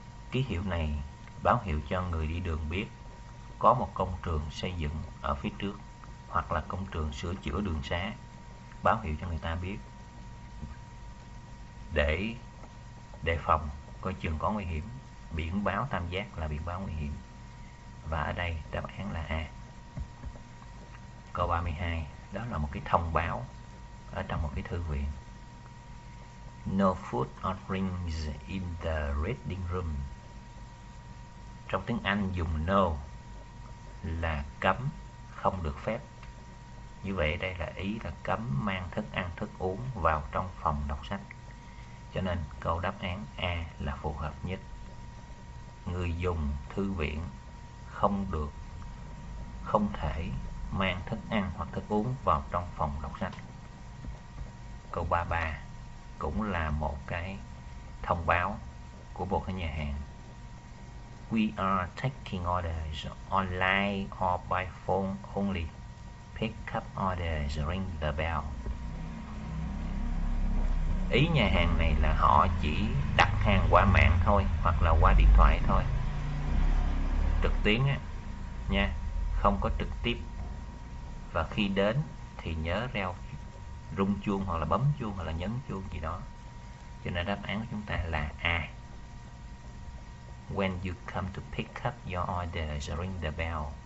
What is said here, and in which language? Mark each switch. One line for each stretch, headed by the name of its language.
Vietnamese: Ký hiệu này báo hiệu cho người đi đường biết có một công trường xây dựng ở phía trước, hoặc là công trường sửa chữa đường xá, báo hiệu cho người ta biết để đề phòng coi chừng có nguy hiểm. Biển báo tam giác là biển báo nguy hiểm. Và ở đây đáp án là A. Câu 32, đó là một cái thông báo ở trong một cái thư viện.
English: No food or drinks in the reading room.
Vietnamese: Trong tiếng Anh dùng no là cấm, không được phép. Như vậy đây là ý là cấm mang thức ăn, thức uống vào trong phòng đọc sách. Cho nên câu đáp án A là phù hợp nhất. Người dùng thư viện không được, không thể mang thức ăn hoặc thức uống vào trong phòng đọc sách. Câu 33 cũng là một cái thông báo của một cái nhà hàng.
English: We are taking orders online or by phone only. Pick up orders, ring the bell.
Vietnamese: Ý nhà hàng này là họ chỉ đặt hàng qua mạng thôi hoặc là qua điện thoại thôi. Trực tuyến á nha, không có trực tiếp. Và khi đến thì nhớ reo rung chuông hoặc là bấm chuông hoặc là nhấn chuông gì đó. Cho nên đáp án của chúng ta là A.
English: When you come to pick up your orders, ring the bell.